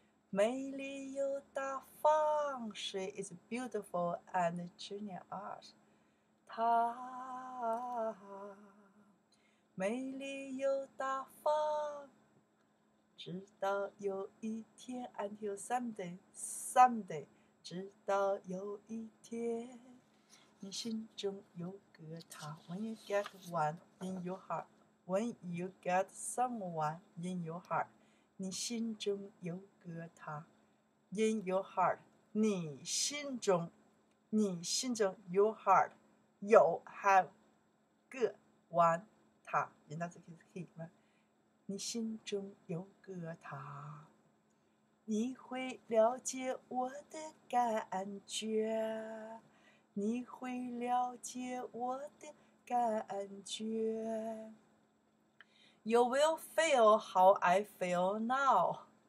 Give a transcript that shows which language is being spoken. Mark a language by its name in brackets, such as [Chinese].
[Chinese] 美丽又大方 [English] ，She is beautiful and generous. [Chinese] 她美丽又大方，直到有一天 ， [English] until someday， [Chinese] 直到有一天，你心中有个他。 [English] When you get one in your heart, when you get someone in your heart. [Chinese] 你心中有个他 ，in your heart， 你心中，你心中 your heart 有 have 个 one 他 ， [English] in that case he [Chinese] 吗？你心中有个他，你会了解我的感觉，你会了解我的感觉。 [English] You will feel how I feel now.